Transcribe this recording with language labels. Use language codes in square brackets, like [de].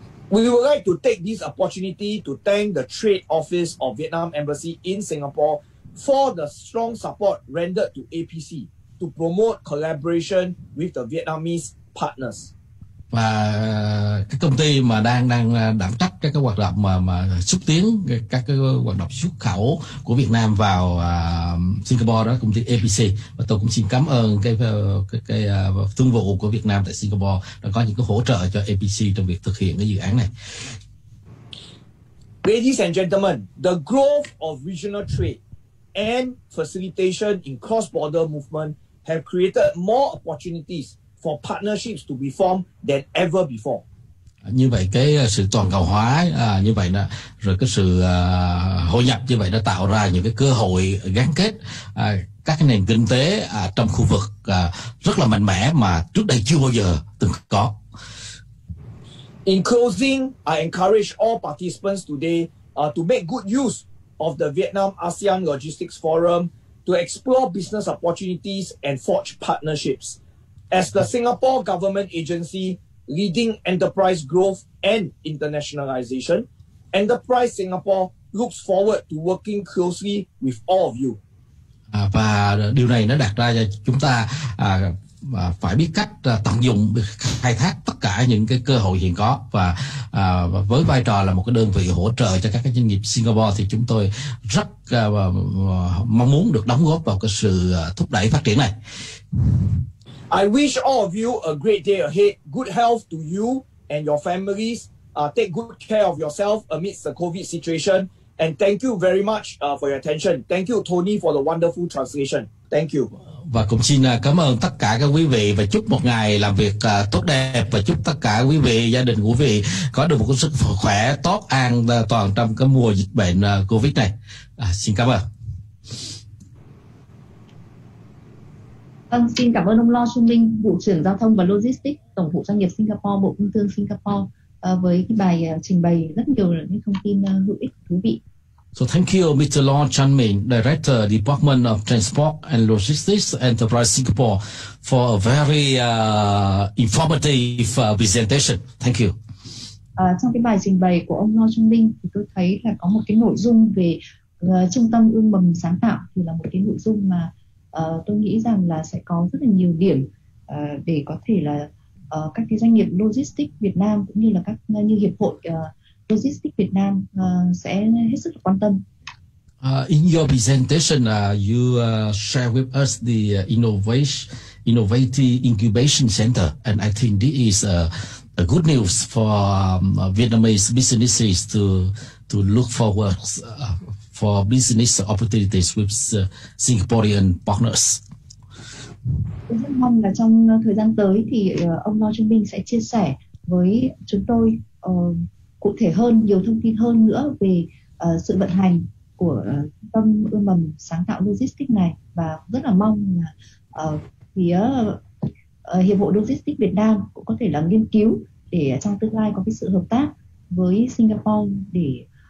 [en] We would like to take this opportunity to thank the Trade Office of Vietnam Embassy in Singapore for the strong support rendered to APC to promote collaboration with the Vietnamese partners. [vi] Và cái công ty mà đang đảm trách các cái hoạt động mà xúc tiến các cái hoạt động xuất khẩu của Việt Nam vào Singapore đó, công ty APC, và tôi cũng xin cảm ơn cái thương vụ của Việt Nam tại Singapore đã có những cái hỗ trợ cho APC trong việc thực hiện cái dự án này. [en] Ladies and gentlemen, the growth of regional trade and facilitation in cross-border movement have created more opportunities for partnerships to be formed than ever before. [vi] Như vậy cái sự toàn cầu hóa như vậy đó, rồi cái sự hội nhập như vậy đã tạo ra những cái cơ hội gắn kết các cái nền kinh tế trong khu vực rất là mạnh mẽ mà trước đây chưa bao giờ từng có. [en] In closing, I encourage all participants today to make good use of the Vietnam ASEAN Logistics Forum to explore business opportunities and forge partnerships. As the Singapore government agency leading enterprise growth and internationalization, Enterprise Singapore looks forward to working closely with all of you. [vi] Và điều này nó đặt ra cho chúng ta phải biết cách tận dụng, khai thác tất cả những cái cơ hội hiện có, và với vai trò là một cái đơn vị hỗ trợ cho các cái doanh nghiệp Singapore thì chúng tôi rất mong muốn được đóng góp vào cái sự thúc đẩy phát triển này. [en] I wish all of you a great day ahead. Good health to you and your families. Take good care of yourself amidst the COVID situation. And thank you very much for your attention. Thank you, Tony, for the wonderful translation. Thank you. [vi] Và cũng xin cảm ơn tất cả các quý vị và chúc một ngày làm việc tốt đẹp, và chúc tất cả quý vị, gia đình của quý vị có được một sức khỏe tốt, an toàn trong cái mùa dịch bệnh COVID này. Xin cảm ơn. Vâng, xin cảm ơn ông Lo Trung Minh, Vụ trưởng Giao thông và Logistics, Tổng vụ Doanh nghiệp Singapore, Bộ Công Thương Singapore, với cái bài trình bày rất nhiều những thông tin hữu ích, thú vị. [en] So thank you, Mr. Lo Chan Minh, Director, Department of Transport and Logistics, Enterprise Singapore, for a very informative presentation. Thank you. [vi] Trong cái bài trình bày của ông Lo Trung Minh, thì tôi thấy là có một cái nội dung về trung tâm ươm mầm sáng tạo, thì là một cái nội dung mà tôi nghĩ rằng là sẽ có rất là nhiều điểm để có thể là các cái doanh nghiệp logistics Việt Nam cũng như là các như hiệp hội logistics Việt Nam sẽ hết sức là quan tâm. [en] In your presentation, you share with us the innovative incubation center, and I think this is a good news for Vietnamese businesses to look forward for business opportunities with Singaporean partners. [vi] Tôi rất mong là trong thời gian tới thì ông Lo Trung Minh sẽ chia sẻ với chúng tôi cụ thể hơn, nhiều thông tin hơn nữa về sự vận hành của tâm ươm mầm sáng tạo logistics này, và rất là mong là phía Hiệp hội Logistics Việt Nam cũng có thể là nghiên cứu để trong tương lai có cái sự hợp tác với Singapore để